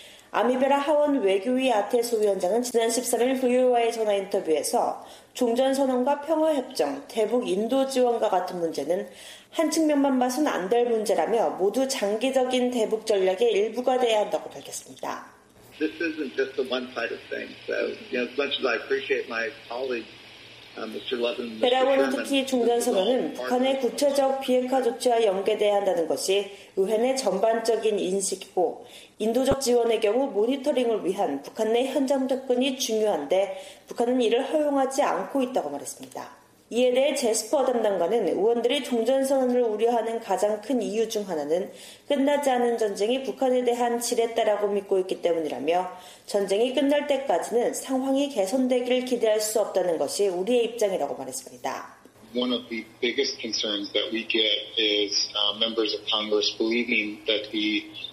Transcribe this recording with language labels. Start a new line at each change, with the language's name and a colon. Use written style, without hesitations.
Korean: 아미베라 하원 외교위 아테소 위원장은 지난 13일 VOA 전화 인터뷰에서 종전선언과 평화협정, 대북 인도 지원과 같은 문제는 한 측면만 봐선 안 될 문제라며 모두 장기적인 대북 전략의 일부가 돼야 한다고 밝혔습니다.
English: This isn't just a one-sided thing. So, you know, as much as I appreciate my colleague, Mr. Levin, Mr. Sherman,
Korean: 베라원 특히 종전선언은 북한의 구체적 비핵화 조치와 연계되어야 한다는 것이 의회 내 전반적인 인식이고 인도적 지원의 경우 모니터링을 위한 북한 내 현장 접근이 중요한데 북한은 이를 허용하지 않고 있다고 말했습니다. 이에 대해 제스퍼 담당관은 의원들이 종전선언을 우려하는 가장 큰 이유 중 하나는 끝나지 않은 전쟁이 북한에 대한 지렛대라고 믿고 있기 때문이라며 전쟁이 끝날 때까지는 상황이 개선되기를 기대할 수 없다는 것이 우리의 입장이라고 말했습니다.
English: One of the biggest concerns that we get is members of Congress believing that the